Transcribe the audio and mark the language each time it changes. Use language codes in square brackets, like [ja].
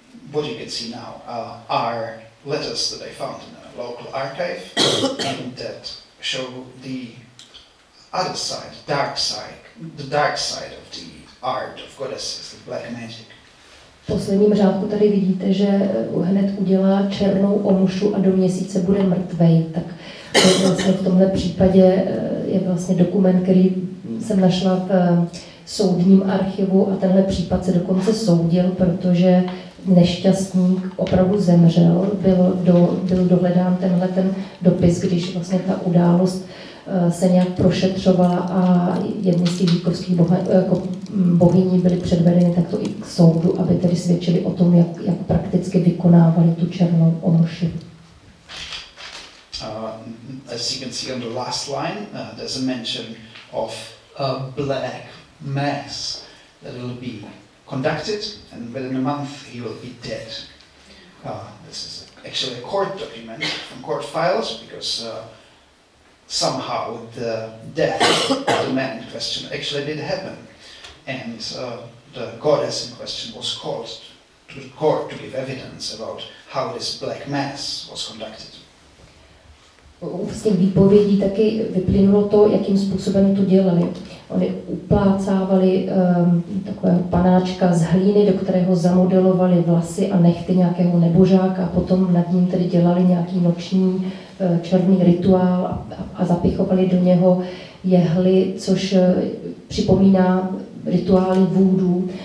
[en] What you can see now are letters that I found in a local archive and that show the other side, dark side, the dark side of the art of goddesses, the black magic. [cs] V posledním řádku tady vidíte, že hned udělá černou omušu a do měsíce bude mrtvej. Tak vlastně v tomhle případě je vlastně dokument, který jsem našla v soudním archivu, a tenhle případ se dokonce soudil, protože nešťastník opravdu zemřel, byl dohledán tenhle ten dopis, když vlastně ta událost se nějak prošetřovala a jedny z těch žítkovských bohyní byly předvedeny takto i k soudu, aby tedy svědčili o tom, jak prakticky vykonávali tu černou omši. [en] As you can see on the last line, there's a mention of a black mass that will be conducted, and within a month he will be dead. This is actually a court document from court files, because somehow the death of the man in question actually did happen, and the goddess in question was called to the court to give evidence about how this black mass was conducted. [cs] Z těch výpovědí taky vyplynulo to, jakým způsobem to dělali. Oni uplácávali takového panáčka z hlíny, do kterého zamodelovali vlasy a nechty nějakého nebožáka, a potom nad ním tedy dělali nějaký noční černý rituál a zapichovali do něho jehly, což připomíná rituály vůdů.